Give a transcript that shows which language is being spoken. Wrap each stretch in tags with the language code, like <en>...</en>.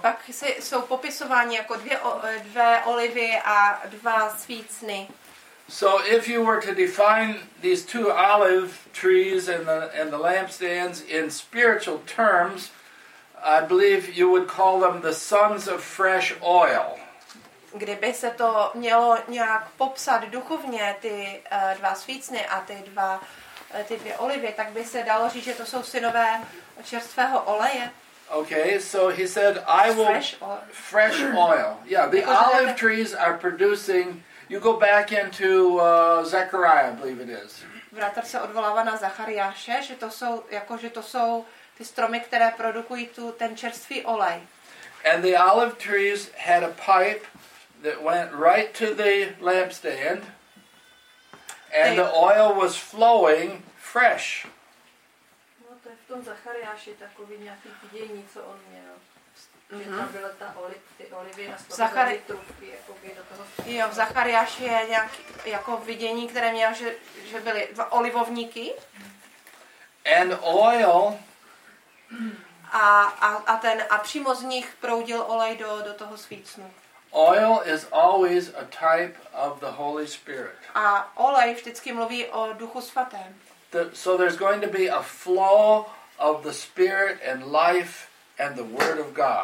<cs>Pak jsou popisováni jako dvě olivy a dva svícny.</cs> <en>So if you were to define these two olive trees and the lampstands in spiritual terms, I believe you would call them the sons of fresh oil.</en> <cs>Kdyby se to mělo nějak popsat duchovně, ty dva svícny a ty dvě olivy, tak by se dalo říct, že to jsou synové čerstvého oleje.</cs> <en>Okay, so he said, I will... Fresh oil. Fresh oil. Yeah, the olive trees are producing... You go back into Zechariah, I believe it is.</en> <cs>Vrátor se odvolává na Zachariáše, že to jsou, jako, že to jsou ty stromy, které produkují tu, ten čerstvý olej.</cs> <en>And the olive trees had a pipe that went right to the lampstand, and the oil was flowing fresh.</en> <cs>V Zachariáši je takový nějaký vidění, co on měl. Že tam byla ta olivy na spodní trubky, jako by do toho... Jo, v Zachariáši je nějaký vidění, které měl, že byly dva olivovníky.</cs> <en>And oil.</en> <cs>A přímo z nich proudil olej do toho svícnu.</cs> <en>Oil is always a type of the Holy Spirit.</en> <cs>A olej vždycky mluví o Duchu Svatém.</cs> <en>So there's going to be a flow of the Spirit and life and the Word of God.</en>